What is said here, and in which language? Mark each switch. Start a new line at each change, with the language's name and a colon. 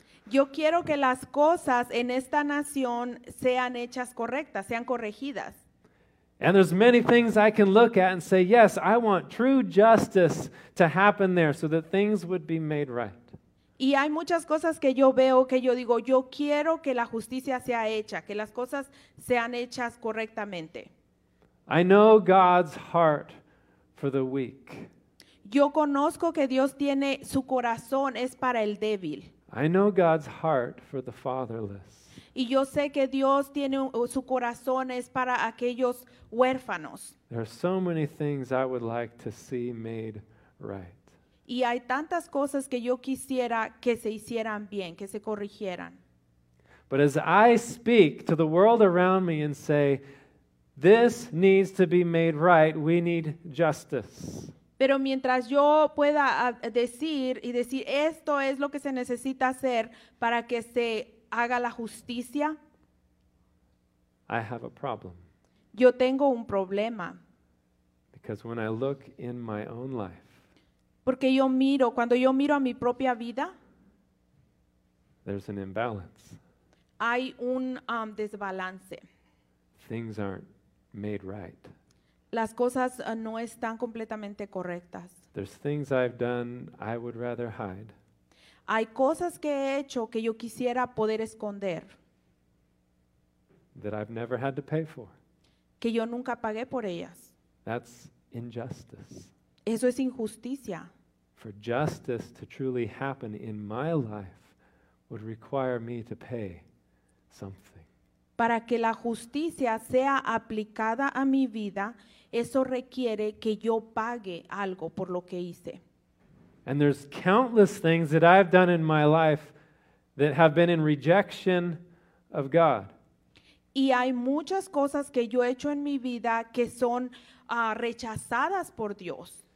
Spanish: Yo quiero que las cosas en esta nación sean hechas correctas, sean corregidas.
English: And there's many things I can look at and say, yes, I want true justice to happen there so that things would be made right.
Spanish: Y hay muchas cosas que yo veo que yo digo, yo quiero que la justicia sea hecha, que las cosas sean hechas correctamente.
English: I know God's heart for the weak.
Spanish: Yo conozco que Dios tiene su corazón es para el débil.
English: I know God's heart for the fatherless.
Spanish: Y yo sé que Dios tiene su corazón es para aquellos huérfanos.
English: There are so many things I would like to see made right.
Spanish: Y hay tantas cosas que yo quisiera que se hicieran bien, que se corrigieran.
English: But as I speak to the world around me and say, this needs to be made right, we need justice.
Spanish: Pero mientras yo pueda decir esto es lo que se necesita hacer para que se haga la justicia.
English: I have a problem.
Spanish: Yo tengo un problema.
English: Because when I look in my own life.
Spanish: Porque yo miro, cuando yo miro a mi propia vida.
English: There's an imbalance.
Spanish: Hay un desbalance.
English: Things aren't made right.
Spanish: Las cosas no están completamente correctas.
English: There's things I've done I would rather hide.
Spanish: Hay cosas que he hecho que yo quisiera poder esconder.
English: That I've never had to pay for.
Spanish: Que yo nunca pagué por ellas.
English: That's injustice.
Spanish: Eso es injusticia.
English: For justice to truly happen in my life would require me to pay something.
Spanish: Para que la justicia sea aplicada a mi vida, eso requiere que yo pague algo por lo que hice.
English: And there's countless things that I've done in my life that have been in rejection of God.
Spanish: Y hay muchas cosas que yo he hecho en mi vida que son rechazadas por Dios.